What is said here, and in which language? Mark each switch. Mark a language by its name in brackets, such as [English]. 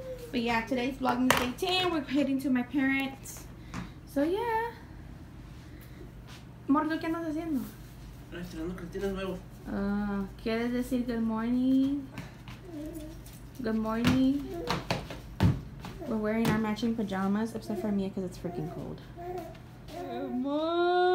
[English] But yeah, today's Vlogmas day 10. We're heading to my parents. So yeah. [Spanish] Mordo, ¿qué andas haciendo? Estrenando cartitas nuevo. ¿Quieres decir [English] good morning? Good morning. We're wearing our matching pajamas, except for Mia because it's freaking cold. Good morning.